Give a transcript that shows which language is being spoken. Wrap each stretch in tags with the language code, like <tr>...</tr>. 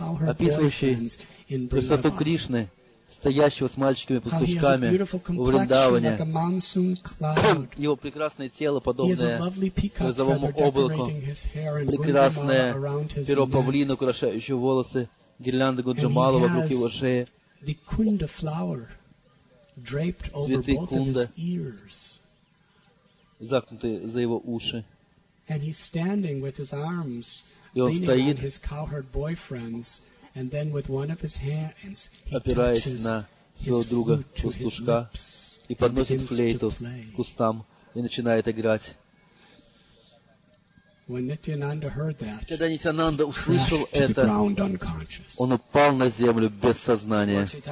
<ru>описывающий красоту Кришны, стоящего с мальчиками-пастушками в Вриндаване, его прекрасное тело, подобное грозовому облаку, прекрасное перо павлина, украшающее волосы, гирлянда Гуджамала вокруг его шеи, цветы кунда, закнутые за его уши.</ru> <en>And he's standing with his arms,</en> <ru>и он стоит,</ru> <en>his cowherd boyfriends, and then with one of his hands, he</en> <ru>опираясь на своего друга пастушка и подносит флейту к устам и начинает играть. Когда Нитянанда услышал это, он упал на землю без сознания.</ru>